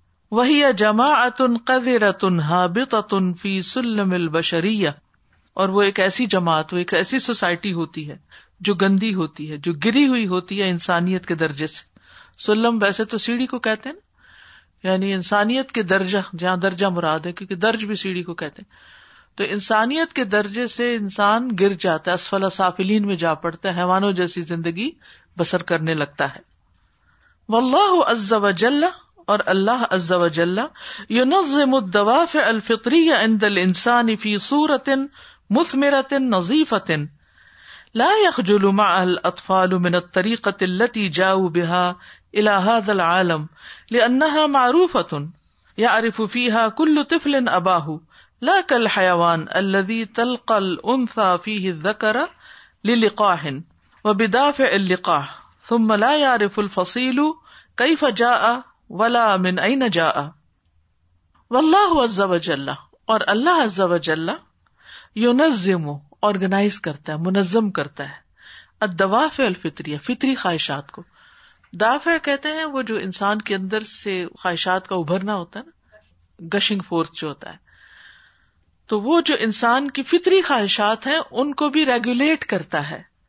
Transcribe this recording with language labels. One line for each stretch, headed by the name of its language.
Arabic: وہی جماعت قذرۃ ہابطۃ فی سلم البشریہ,
Urdu: اور وہ ایک ایسی جماعت, وہ ایک ایسی سوسائٹی ہوتی ہے جو گندی ہوتی ہے, جو گری ہوئی ہوتی ہے انسانیت کے درجے سے. سلم ویسے تو سیڑھی کو کہتے ہیں, یعنی انسانیت کے درجہ, جہاں درجہ مراد ہے, کیونکہ درج بھی سیڑھی کو کہتے ہیں, تو انسانیت کے درجے سے انسان گر جاتا ہے, اسفل سافلین میں جا پڑتا ہے, حیوانوں جیسی زندگی بسر کرنے لگتا ہے.
Arabic: واللہ عز وجل,
Urdu: اور اللہ عز وجل,
Arabic: ينظم الدوافع الفطریہ عند الانسان فی صورۃ مثمرۃ نظیفۃ لا يخجل مع الاطفال من الطریقۃ التي جاؤوا بها الى هذا العالم لانها معروفۃ يعرف فيها كل طفل اباه لا كالحيوان الذي تلقى الانثى فيه الذكر للقاح وبدافع اللقاح ثم لا يعرف الفصيل كيف جاء ولا من اين جاء. والله عز وجل,
Urdu: اور اللہ عز وجل, ينظم, آرگنائز کرتا ہے, منظم کرتا ہے,
Arabic: الدوافع الفطریہ,
Urdu: فطری خواہشات کو. دافع کہتے ہیں وہ جو انسان کے اندر سے خواہشات کا ابھرنا ہوتا ہے نا, گشنگ فورس جو ہوتا ہے, تو وہ جو انسان کی فطری خواہشات ہیں ان کو بھی ریگولیٹ کرتا ہے.